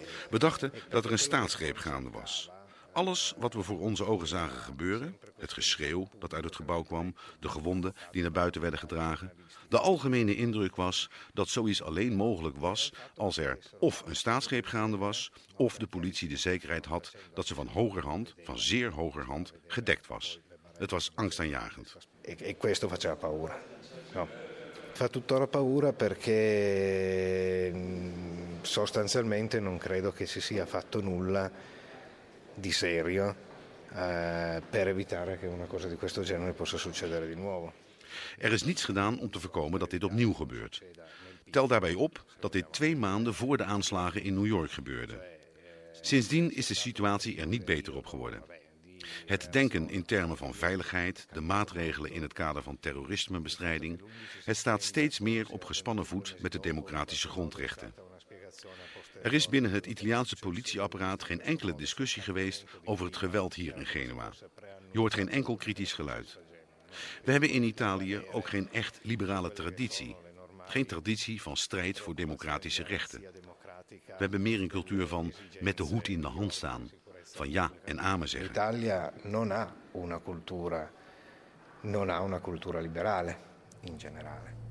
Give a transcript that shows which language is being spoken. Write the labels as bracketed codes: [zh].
[nl] We dachten dat er een staatsgreep gaande was. Alles wat we voor onze ogen zagen gebeuren, het geschreeuw dat uit het gebouw kwam, de gewonden die naar buiten werden gedragen, de algemene indruk was dat zoiets alleen mogelijk was als er of een staatsgreep gaande was, of de politie de zekerheid had dat ze van hoger hand, van zeer hoger hand, gedekt was. Het was angstaanjagend. En dat maakte [it] paura. Fa tuttora paura perché sostanzialmente non credo che si sia fatto nulla di serio per evitare che una cosa di questo genere possa succedere di nuovo. [nl] Er is niets gedaan om te voorkomen dat dit opnieuw gebeurt. Tel daarbij op dat dit 2 maanden voor de aanslagen in New York gebeurde. Sindsdien is de situatie er niet beter op geworden. Het denken in termen van veiligheid, de maatregelen in het kader van terrorismebestrijding, het staat steeds meer op gespannen voet met de democratische grondrechten. Er is binnen het Italiaanse politieapparaat geen enkele discussie geweest over het geweld hier in Genua. Je hoort geen enkel kritisch geluid. We hebben in Italië ook geen echt liberale traditie. Geen traditie van strijd voor democratische rechten. We hebben meer een cultuur van met de hoed in de hand staan. Van ja en amen zeggen. [it] Italia non ha una cultura, non ha una cultura liberale in generale.